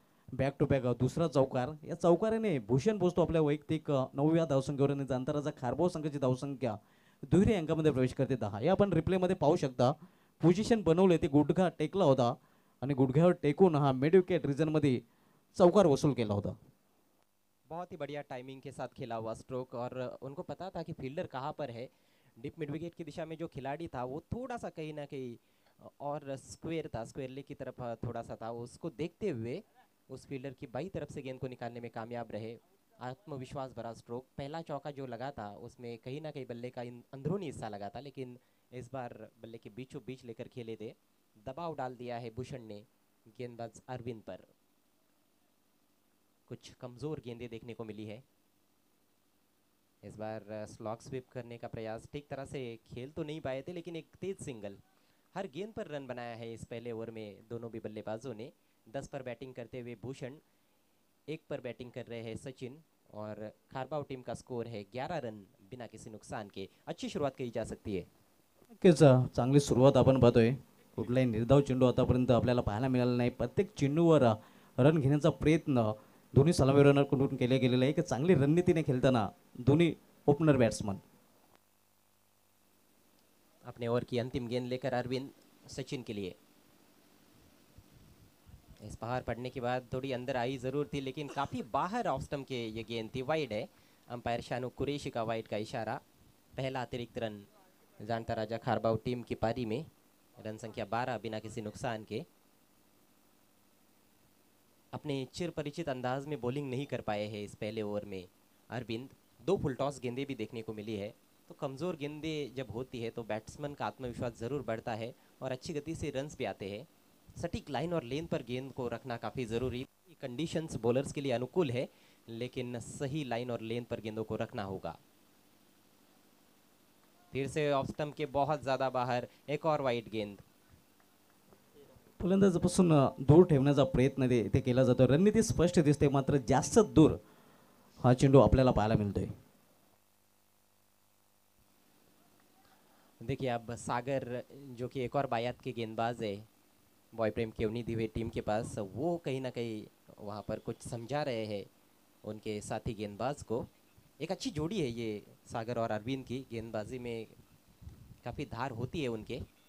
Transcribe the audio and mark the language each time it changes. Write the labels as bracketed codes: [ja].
[mr] Back to back दुसरा चौकार. या चौकाराने भूषण पोचतो आपल्या वैयक्तिक 9व्या धावसंख्येवर आणि अंतराचा खारबाव संघाची धावसंख्या दुहेरी अंकामध्ये प्रवेश करते 10. हे आपण रिप्लेमध्ये पाहू शकता. पोझिशन बनवले ते गुडघा टेकला होता आणि गुडघ्यावर टेकून हा मिडविकेट रिजनमध्ये चौकार वसूल केला होता. [hi] बहुत ही बढिया टायमिंग के साथ खेला हुआ स्ट्रोक और उनको पता था कि फील्डर कहाँ पर है. डीप मिड विकेट की दिशा में जो खिलाड़ी था वो थोड़ा सा कहीं ना कहीं और स्क्वेयर था. स्क्वेयर लेग की तरफ थोड़ा सा था. उसको देखते हुए उस फील्डर की बाई तरफ से गेंद को निकालने में कामयाब रहे। आत्मविश्वास भरा स्ट्रोक, पहला चौका जो लगा था उसमें कहीं ना कहीं बल्ले का अंदरूनी हिस्सा लगा था, लेकिन इस बार बल्ले के बीचों बीच लेकर खेले थे। दबाव डाल दिया है भूषण ने गेंदबाज अरविंद पर, कुछ कमजोर गेंदें देखने को मिली है। इस बार स्लॉग स्वीप करने का प्रयास, ठीक तरह से खेल तो नहीं पाए थे लेकिन एक तेज सिंगल। हर गेंद पर रन बनाया है इस पहले ओवर में दोनों भी बल्लेबाजों ने। 10 पर बैटिंग करते हुए भूषण, 1 पर बैटिंग कर रहे हैं सचिन, और खारबाव टीम का स्कोर है 11 रन बिना किसी नुकसान के। अच्छी शुरुआत कही जा सकती है। [mr] चांगली सुरुवात आपण पाहतोय, कुठलाही निर्धाव चेंडू आतापर्यंत आपल्याला पाहायला मिळाला नाही। प्रत्येक चेंडूवर रन घेण्याचा प्रयत्न दोन्ही सलामीवीरांकडून केले गेलेले आहे। एक चांगली रणनीतीने खेळताना दोन्ही ओपनर बॅट्समन। [hi] अपने ओवर की अंतिम गेंद लेकर अरविंद सचिन के लिए। इस बाहर पड़ने के बाद थोड़ी अंदर आई जरूर थी लेकिन काफी बाहर ऑफ स्टंप के ये गेंद थी, वाइड है। अंपायर शानू कुरेशी का वाइड का इशारा, पहला अतिरिक्त रन जानता राजा खारबाव टीम की पारी में, रन संख्या 12 बिना किसी नुकसान के। अपने चिर परिचित अंदाज में बॉलिंग नहीं कर पाए हैं इस पहले ओवर में अरविंद। 2 फुल टॉस गेंदें भी देखने को मिली है, तो कमज़ोर गेंदें जब होती है तो बैट्समैन का आत्मविश्वास ज़रूर बढ़ता है और अच्छी गति से रन्स भी आते हैं। सटीक लाइन और लेंथ पर गेंद को रखना काफ़ी ज़रूरी, कंडीशंस बॉलर्स के लिए अनुकूल है लेकिन सही लाइन और लेंथ पर गेंदों को रखना होगा। फिर से ऑफ स्टंप के बहुत ज्यादा बाहर, एक और वाइड गेंद। [mr] फलंदाजापासून दूर ठेवण्याचा प्रयत्न इथे केला जातो, रणनीती स्पष्ट दिसते मात्र जास्त दूर हा चेंडू आपल्याला पाहायला मिळतोय। [hi] देखिए अब सागर जो कि एक और बायात के गेंदबाज है बॉय प्रेम केवनी दिवे टीम के पास, वो कहीं ना कहीं वहां पर कुछ समझा रहे हैं उनके साथी गेंदबाज को। एक अच्छी जोड़ी है ये सागर और अरविंद की, गेंदबाजी में काफी धार होती है उनके।